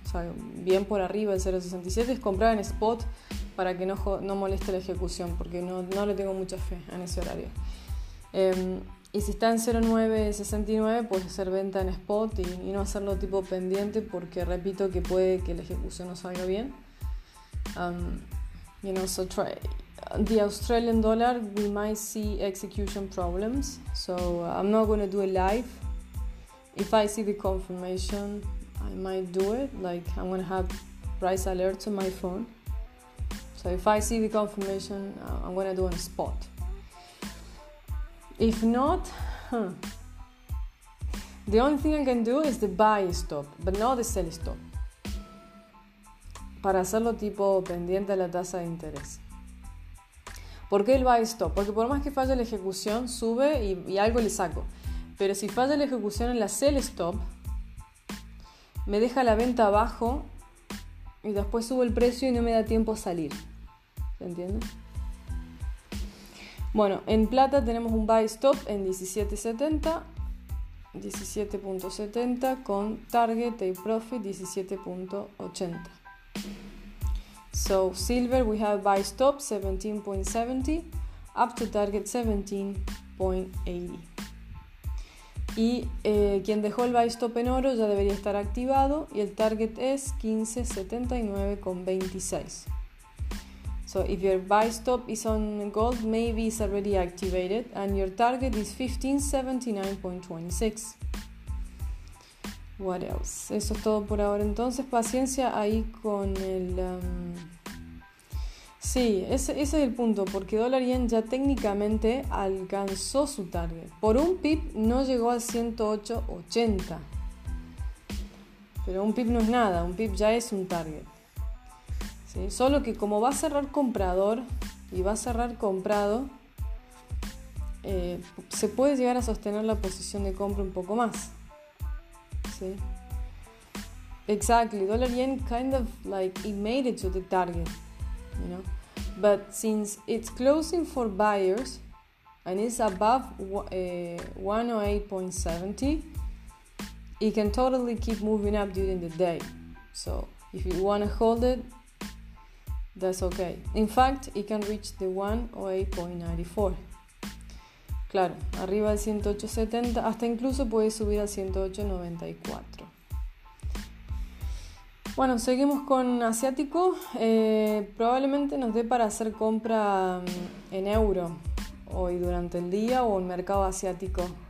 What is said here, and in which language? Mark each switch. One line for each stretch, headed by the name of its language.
Spanish: O sea, bien por arriba del 0.67, es comprar en spot para que no moleste la ejecución, porque no le tengo mucha fe en ese horario. Y si está en 0.969, pues hacer venta en spot y no hacerlo tipo pendiente, porque repito que puede que la ejecución no salga bien.
English: You know, so try the Australian dollar, we might see execution problems, so I'm not going to do a live. If I see the confirmation, I might do it. Like, I'm going to have price alerts on my phone. So if I see the confirmation, I'm going to do it on a spot. If not, the only thing I can do is the buy stop, but not the sell stop.
Spanish: Para hacerlo tipo pendiente a la tasa de interés. ¿Por qué el buy stop? Porque por más que falle la ejecución, sube y algo le saco. Pero si falla la ejecución en la sell stop, me deja la venta abajo y después subo el precio y no me da tiempo a salir. ¿Se entiende? Bueno, en plata tenemos un buy stop en 17.70 con target y profit 17.80.
English: So, silver we have buy stop 17.70 up to target 17.80.
Spanish: Y quien dejó el buy stop en oro ya debería estar activado y el target es 15.79 con 26.
English: So if your buy stop is on gold, maybe it's already activated and your target is 1579.26. What else?
Spanish: Eso es todo por ahora. Entonces, paciencia ahí con el... Sí, ese es el punto, porque dólar yen ya técnicamente alcanzó su target. Por un pip no llegó al 108.80. Pero un pip no es nada, un pip ya es un target. ¿Sí? Solo que como va a cerrar comprador y va a cerrar comprado, se puede llegar a sostener la posición de compra un poco más. ¿Sí?
English: Exactly, dólar yen kind of like it made it to the target, you know. But since it's closing for buyers and it's above 108.70, it can totally keep moving up during the day. So if you want to hold it, that's okay. In fact, it can reach the 108.94.
Spanish: Claro, arriba al 108.70, hasta incluso puede subir al 108.94. Bueno, seguimos con asiático. Probablemente nos dé para hacer compra en euro hoy durante el día o en mercado asiático.